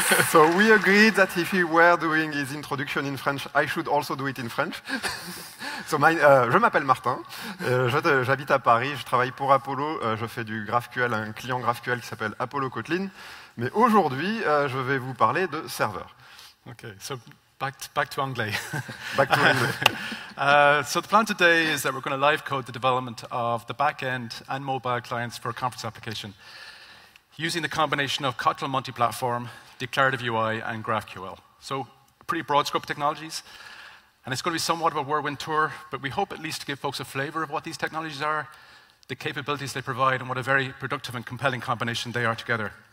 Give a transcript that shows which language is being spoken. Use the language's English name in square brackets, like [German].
[English] So we agreed that if he were doing his introduction in French, I should also do it in French. [French] So je m'appelle Martin, j'habite à Paris, je travaille pour Apollo, je fais du GraphQL, un client GraphQL qui s'appelle Apollo Kotlin. Mais aujourd'hui, je vais vous parler de serveurs. [English] OK, so back to English. Back to English. So the plan today is that we're going to live code the development of the backend and mobile clients for a conference application using the combination of Kotlin Multiplatform, declarative UI, and GraphQL. So pretty broad scope technologies. And it's going to be somewhat of a whirlwind tour, but we hope at least to give folks a flavor of what these technologies are, the capabilities they provide, and what a very productive and compelling combination they are together.